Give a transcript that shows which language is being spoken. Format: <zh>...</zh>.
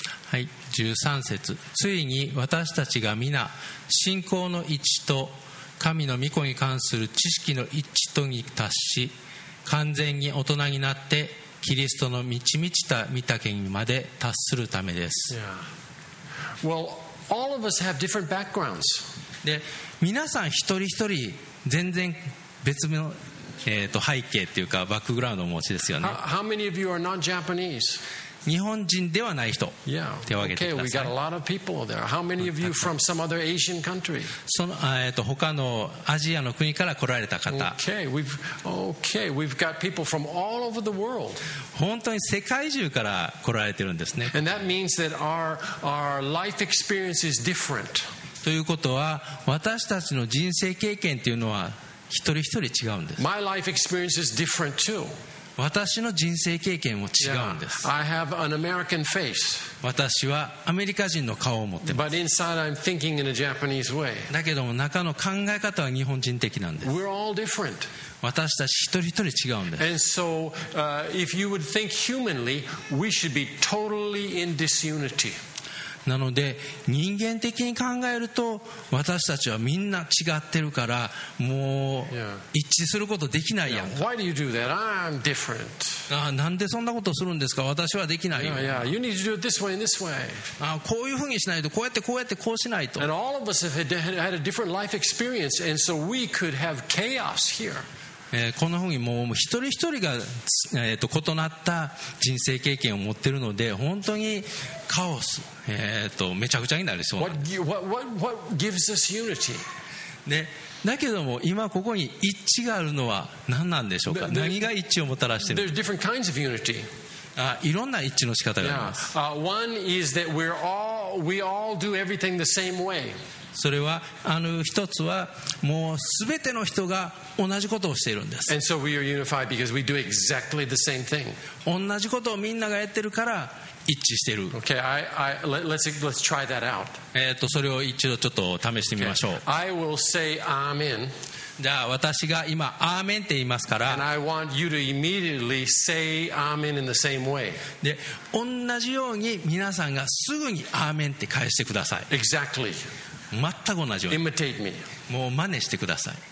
<ja>はい、13節。ついに私たちが皆信仰の一致と神の御子に関する知識の一致とに達し完全に大人になってキリストの満ち満ちた御丈にまで達するためです。 yeah.</ja> <en>Well, all of us have different backgrounds.</en> <ja>で皆さん一人一人全然別の背景というかバックグラウンドをお持ちですよね。</ja> <en>How many of you are not Japanese?</en> <ja>日本人ではない人、 yeah. 手を挙げてください。</ja> <en>Okay, we got a lot of people there. How many of you from some other Asian country?</en> <ja>その、他のアジアの国から来られた方。</ja> <en>Okay, we've got people from all over the world.</en> <ja>本当に世界中から来られてるんですね。</ja> <en>And that means that our life experience is different.</en> <ja>ということは私たちの人生経験というのは一人一人違うんです。</ja> <en>My life experience is different too.</en> <ja>私の人生経験も違うんです。</ja> <en>Yeah, I have an American face.</en> <ja>私はアメリカ人の顔を持ってます。</ja> <en>But inside I'm thinking in a Japanese way.</en> <ja>だけども中の考え方は日本人的なんです。</ja> <en>We're all different.</en> <ja>私たち一人一人違うんです。</ja> <en>And so, if you would think humanly, we should be totally in disunity.</en> <ja>なので人間的に考えると私たちはみんな違ってるからもう一致することできないやん。</ja> <en>yeah. Why do you do that? I'm different.</en> <ja>ああなんでそんなことするんですか私はできないよ。 yeah, yeah.</ja> <en>You need to do it this way and this way.</en> <ja>ああこういうふうにしないとこうやってこうやってこうしないと。</ja> <en>And all of us have had a different life experience and so we could have chaos here.</en> <ja>こんなふうにもう一人一人が、異なった人生経験を持っているので本当にカオス、めちゃくちゃになりそうなんです。</ja> <en>What gives us unity?</en> <ja>ね、だけども今ここに一致があるのは何なんでしょうか。何が一致をもたらしているのか。いろんな一致の仕方があります。</ja> <en>One is that we all do everything the same way.</en> <ja>それは一つはもう全ての人が同じことをしているんです。</ja> <en>And so we are unified because we do exactly the same thing.</en> <ja>同じことをみんながやってるから一致してる。</ja> <en>Okay, let's try that out.</en> <ja>それを一度ちょっと試してみましょう。</ja> <en>Okay. I will say amen.</en> <ja>じゃあ私が今アーメンって言いますから。</ja> <en>And I want you to immediately say amen in the same way.</en> <ja>で同じように皆さんがすぐにアーメンって返してください。</ja> <en>Exactly.</en> <ja>全く同じように。</ja> <en>Imitate me.</en> <ja>もう真似してください。</ja>